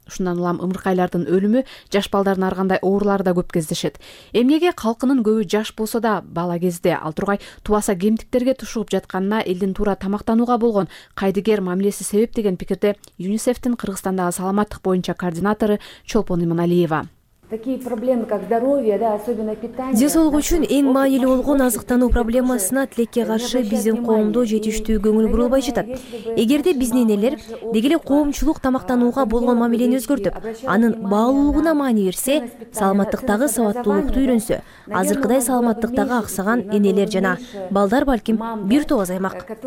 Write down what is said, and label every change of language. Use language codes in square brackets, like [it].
[ky] Ушундан улам ымыркайлардын өлүмү, жаш балдардын ар кандай оорулары да көп кездешет. Эмнеге калкынын көбү жаш болсо да бала кезде ал тургай тубаса кемтиктерге тушугуп жатканына элдин туура тамактанууга болгон кайдыгер мамилеси себеп деген пикирде ЮНИСЕФтин Кыргызстандагы саламаттык боюнча координатору Чолпон Иманалиева. [ru] Такие проблемы, как здоровье, да, особенно питание. [ky] Ден соолугу үчүн эң маанилүү болгон азыктануу проблемасына тилекке каршы биздин коомдо жетиштүү көңүл бурулбай жатат. Эгерде биздин энелер деги эле коомчулук тамактанууга болгон мамилени өзгөртүп, анын баалуулугуна маани берсе, саламаттыктагы сабаттуулукту үйрөнсө, азыркыдай саламаттыктагы аксаган энелер жана балдар балким бир тобо аймак.